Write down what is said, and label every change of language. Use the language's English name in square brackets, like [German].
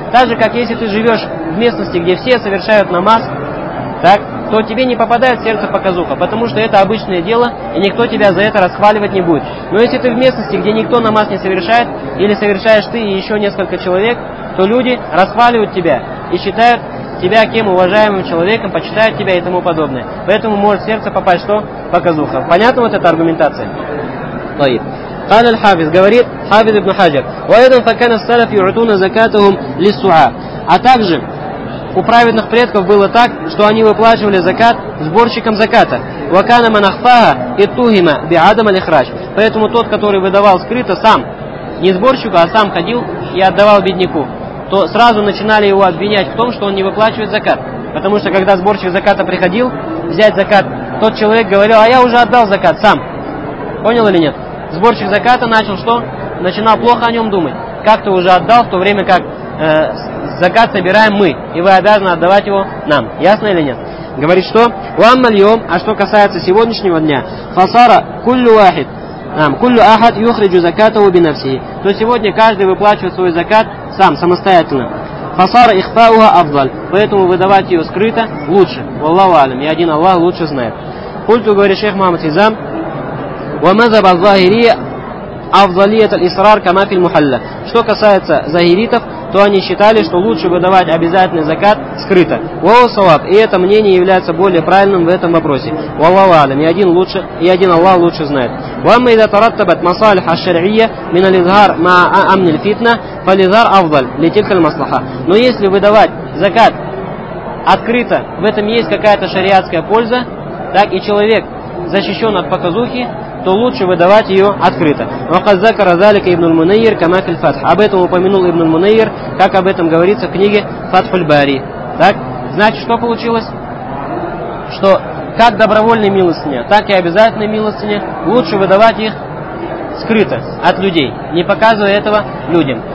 [Russian] Так же, как если ты живешь в местности, где все совершают намаз, так, то тебе не попадает в сердце показуха, потому что это обычное дело, и никто тебя за это расхваливать не будет. Но если ты в местности, где никто намаз не совершает, или совершаешь ты и еще несколько человек, то люди расхваливают тебя и считают тебя кем? Уважаемым человеком, почитают тебя и тому подобное. Поэтому может в сердце попасть что? Показуха. Понятна вот эта аргументация? [Arabic] Таиб. قال الحافظ [Russian] говорит [Arabic] حافظ ابن حجر وأيضا فكان السلف يعطون زكاتهم للسعاء. [Russian] А также у праведных предков было так, что они выплачивали закат сборщикам заката. [Arabic] وكان من أخفاها إتوهما بعدم الإخراج. [Russian] Поэтому тот, который выдавал скрыто сам, не сборщику, а сам ходил и отдавал бедняку, то сразу начинали его обвинять в том, что он не выплачивает закат. Потому что когда сборщик заката приходил взять закат, тот человек говорил: а я уже отдал закат сам. Понял или нет? Сборщик заката начал что? Начинал плохо о нем думать. Как ты уже отдал, в то время как закат собираем мы, и вы обязаны отдавать его нам. Ясно или нет? Говорит, что вам мальем, а что касается сегодняшнего дня, [Arabic] фасара куллю ахид, куллю ахад юхриджу закатову бинавсии, [Russian] то сегодня каждый выплачивает свой закат сам, самостоятельно. [Arabic] Фасара ихфауха афдаль, [Russian] поэтому выдавать ее скрыто лучше. [Arabic] Валлаху алям, [Russian] и один Аллах лучше знает. [Arabic] Культу, [Russian] говорит шейх Мухаммад Хизам, [Arabic] ومذهب الظاهرية أفضلية الإصرار كما في المحلة. [Russian] Что касается захиритов, то они считали, что лучше выдавать обязательный закат скрыто. [Arabic] وهو صواب. [Russian] И это мнение является более правильным в этом вопросе. [Arabic] والله أعلم. [Russian] И один Аллах лучше знает. [Arabic] وأما إذا ترتبت مصالح الشرعية من الإظهار مع أمن الفتنة فالإظهار أفضل لتلك المصلحة. [Russian] Но если выдавать закат открыто, в этом есть какая-то шариатская польза, так и человек защищен от показухи, то лучше выдавать ее открыто. [Arabic] وقد ذكر ذلك ابن المنير كما في الفتح. [Russian] Об этом упомянул ибн аль-Мунайр, как об этом говорится в книге Фатх аль-Бари. Так? Значит, что получилось? Что как добровольные милостыни, так и обязательные милостыни лучше выдавать их скрыто от людей, не показывая этого людям.